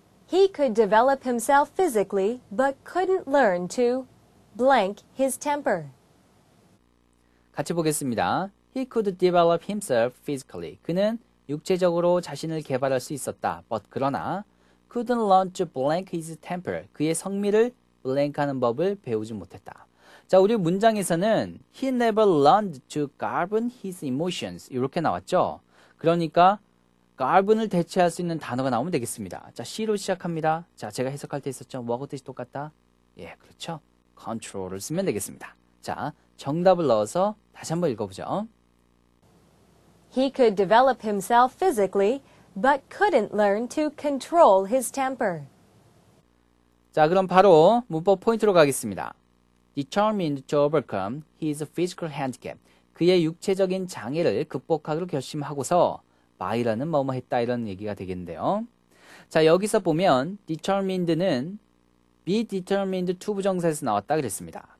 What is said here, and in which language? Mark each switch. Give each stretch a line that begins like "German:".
English: He could develop himself physically, but couldn't learn to blank his temper.
Korean: 같이 보겠습니다.
English: He could develop himself physically.
Korean: 그는 육체적으로 자신을 개발할 수 있었다.
English: But
Korean: 그러나
English: couldn't learn to blank his temper.
Korean: 그의 성미를 blank하는 법을 배우지 못했다. 자, 우리 문장에서는
English: he never learned to govern his emotions
Korean: 이렇게 나왔죠. 그러니까 govern을 대체할 수 있는 단어가 나오면 되겠습니다. 자, she로 시작합니다. 자, 제가 해석할 때 있었죠. 뭐하고 뜻이 똑같다? 예, 그렇죠. control을 쓰면 되겠습니다. 자, 정답을 넣어서 다시 한번 읽어보죠.
English: He could develop himself physically, but couldn't learn to control his temper.
Korean: 자, 그럼 바로 문법 포인트로 가겠습니다.
English: Determined to overcome his physical handicap.
Korean: 그의 육체적인 장애를 극복하기로 결심하고서 바이런은 뭐뭐 했다 이런 얘기가 되겠는데요. 자, 여기서 보면 determined는
English: be determined to
Korean: 부정사에서 나왔다 그랬습니다.